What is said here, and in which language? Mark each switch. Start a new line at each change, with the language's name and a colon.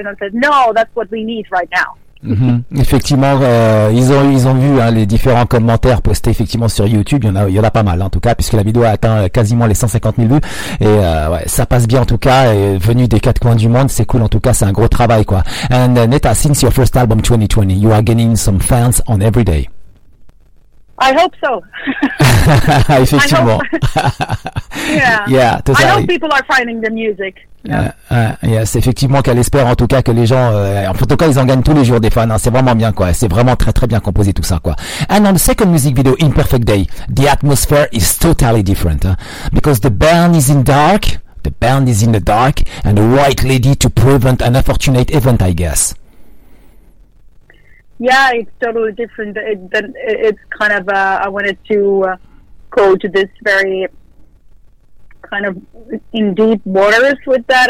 English: And I said, no, that's what we need right now. Mm-hmm.
French: Effectivement, ils ont vu les différents commentaires postés effectivement sur YouTube. Il y en a pas mal, en tout cas, puisque la vidéo a atteint quasiment les 150 000 vues. Et ouais, ça passe bien en tout cas. Et venu des quatre coins du monde, c'est cool. En tout cas, c'est un gros travail, quoi.
English: And Netta, since your first album 2020, you are gaining some fans on every day. I hope so.
French: Effectivement.
English: I hope. Yeah. Yeah. Totally. I hope people are finding the music.
French: Yes, effectivement, qu'elle espère en tout cas que les gens, en tout cas, ils en gagnent tous les jours des fans. Hein. C'est vraiment bien, quoi. C'est vraiment très très bien composé tout ça, quoi.
English: And on the second music video, Imperfect Day, the atmosphere is totally different, huh? Because the band is in dark, the band is in the dark, and a white lady to prevent an unfortunate event, I guess. Yeah, it's totally different. It's kind of, I wanted to go to this very kind of in deep waters with that.